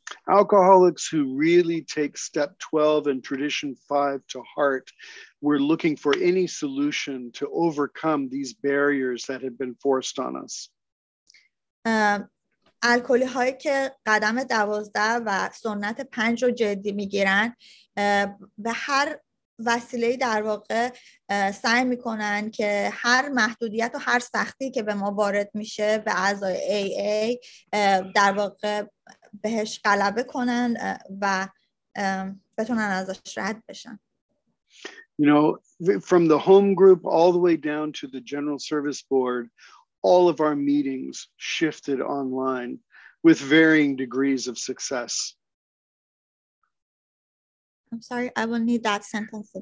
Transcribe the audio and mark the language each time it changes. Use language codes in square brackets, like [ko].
[en] Alcoholics who really take step 12 and tradition 5 to heart were looking for any solution to overcome these barriers that had been forced on us. [fa] الکلی هایی که قدم 12 و سنت 5 رو جدی میگیرن به هر وسیله‌ای در واقع سعی میکنن که هر محدودیت و هر سختی که به ما وارد میشه به اعضای AA در واقع بهش غلبه کنن و بتونن ازش رد بشن. [en] You know, from the home group all the way down to the general service board, all of our meetings shifted online with varying degrees of success. I'm sorry, I will need that sentence.